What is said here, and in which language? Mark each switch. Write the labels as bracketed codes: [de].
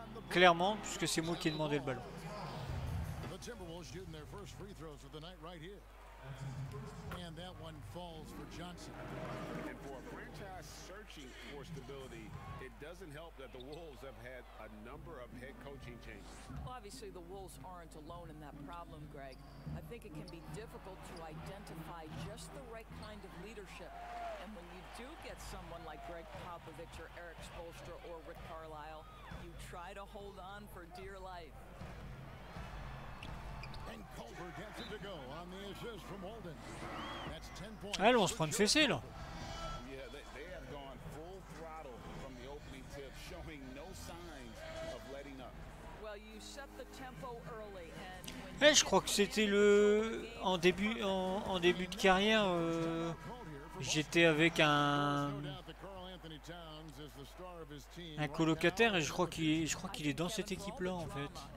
[fr] Clairement, puisque c'est moi qui ai demandé le ballon. [en] The Timberwolves shooting their first free throws of the night right here. And that one falls for Johnson. And for a franchise searching for stability, it doesn't help that the Wolves have had a number of head coaching changes. Well, obviously, the Wolves aren't alone in that problem, Greg. I think it can be difficult to identify just the right kind of leadership. And when you do get someone like Greg Popovich or Eric Spoelstra or Rick Carlisle, you try to hold on for dear life. And Culver gets it to go on the assist from Holden. That's 10 points. [fr] Allez, on se prend une fessée, là. [en] Yeah, they have gone full throttle from the opening tip, showing no signs of letting up. Well, you set the tempo early. [fr] Hey, je crois que c'était le en début de carrière. J'étais avec un colocataire et je crois qu'il est dans cette équipe là en fait.